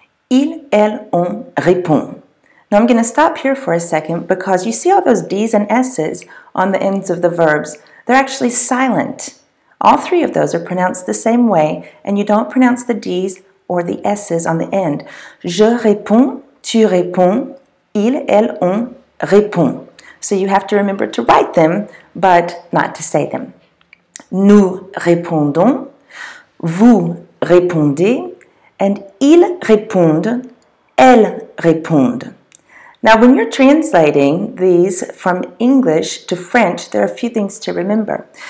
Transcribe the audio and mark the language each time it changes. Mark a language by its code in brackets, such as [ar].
[fr] Il, elle, on répond. [en] Now I'm going to stop here for a second because you see all those D's and S's on the ends of the verbs. They're actually silent. All three of those are pronounced the same way and you don't pronounce the D's or the S's on the end. [fr] Je réponds, tu réponds, il, elle, on répond. [en] So you have to remember to write them but not to say them. [fr] Nous répondons, vous répondez, and ils répondent, elles répondent. [en] Now, when you're translating these from English to French, there are a few things to remember.